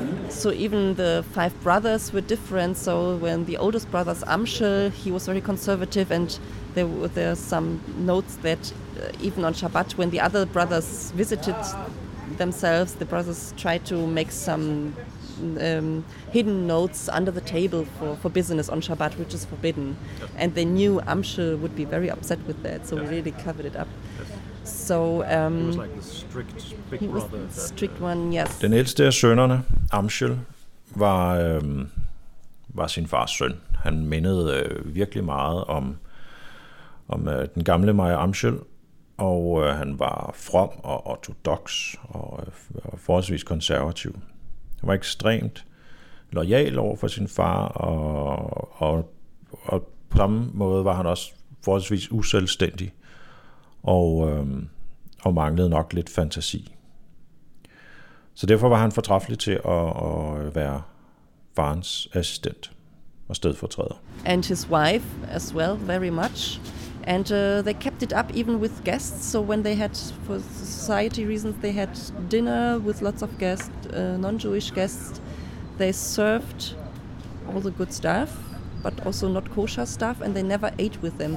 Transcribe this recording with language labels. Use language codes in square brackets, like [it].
[en] So even the 5 brothers were different. So when the oldest brother Amschel, he was very conservative, and there are some notes that even on Shabbat, when the other brothers visited themselves, the brothers tried to make some hidden notes under the table for business on Shabbat, which is forbidden. And they knew Amschel would be very upset with that, so we really covered it up. So he was like the strict big brother. Strict one, yes. [da] Den ældste af sønnerne, Amschel, var sin fars søn. Han mindede virkelig meget om den gamle Maja Amschel, og han var from og ortodoks og forholdsvis konservativ. Han var ekstremt loyal over for sin far, og på samme måde var han også forholdsvis uselvstændig og manglede nok lidt fantasi. Så derfor var han fortræffelig til at være farens assistent. og stedfortræder. [en] And his wife as well, very much. And they kept it up even with guests. So when they had, for society reasons, they had dinner with lots of guests, non-Jewish guests, they served all the good stuff, but also not kosher stuff, and they never ate with them.